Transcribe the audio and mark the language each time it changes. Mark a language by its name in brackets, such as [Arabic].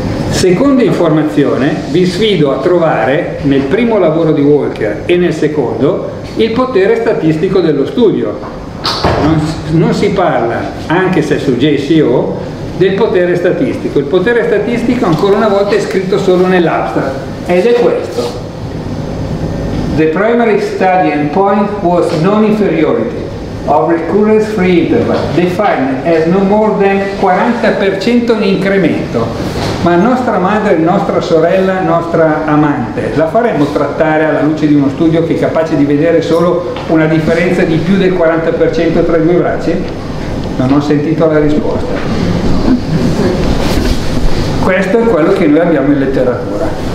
[Italian] Seconda informazione, vi sfido a trovare nel primo lavoro di Walker e nel secondo il potere statistico dello studio. Non si parla, anche se su JCO, del potere statistico. Il potere statistico, ancora una volta, è scritto solo nell'abstract. Ed è questo. [English] The primary study endpoint was non-inferiority of recurrence free interval, defined as no more than 40% [Italian] in incremento. Ma nostra madre, nostra sorella, nostra amante, la faremmo trattare alla luce di uno studio che è capace di vedere solo una differenza di più del 40% tra i due bracci? Non ho sentito la risposta. Questo è quello che noi abbiamo in letteratura.